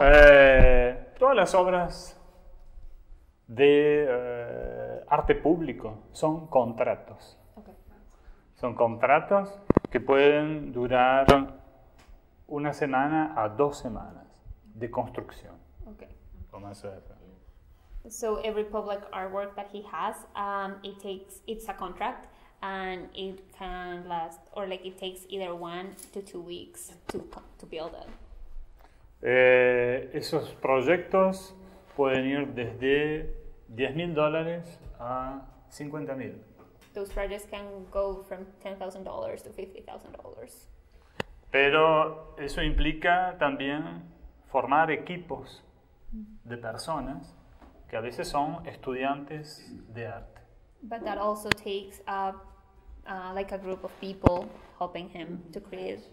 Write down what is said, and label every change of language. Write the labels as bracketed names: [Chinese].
[Spanish] todas las obras de arte público son contratos. Son contratos que pueden durar una semana a 2 semanas de construcción. [English] Okay. So every public artwork that he has, it's a contract and it can last, or like it takes either 1 to 2 weeks to build it. [Spanish] Esos proyectos pueden ir desde $10,000 a $50,000. [English] Those projects can go from $10,000 to $50,000. [Spanish] Pero eso implica también formar equipos de personas que a veces son estudiantes de arte. [English] But that also takes a group of people helping him to create.